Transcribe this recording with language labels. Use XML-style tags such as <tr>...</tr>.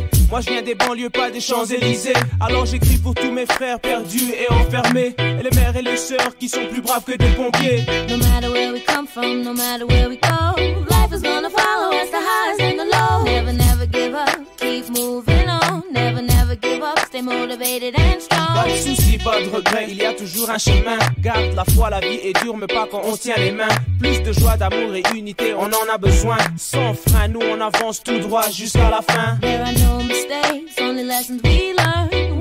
<fr>Moi je viens des banlieues, pas des Champs-Élysées. Alors j'écris pour tous mes frères perdus et enfermés. Et les mères et les sœurs qui sont plus braves que des pompiers.</fr> <en>No matter where we come from, no matter where we go, life is gonna follow us, the highs and the lows. Never, never give up, keep moving on. Never, never give up, stay motivated and strong.</en> <fr>Pas de soucis, pas de regrets, il y a toujours un chemin. Garde la foi, la vie est dure, mais pas quand on tient les mains. Plus de joie, d'amour et unité, on en a besoin. Sans frein, nous on avance tout droit jusqu'à la fin.</fr> <en>There are no mistakes, only lessons we learn.</en>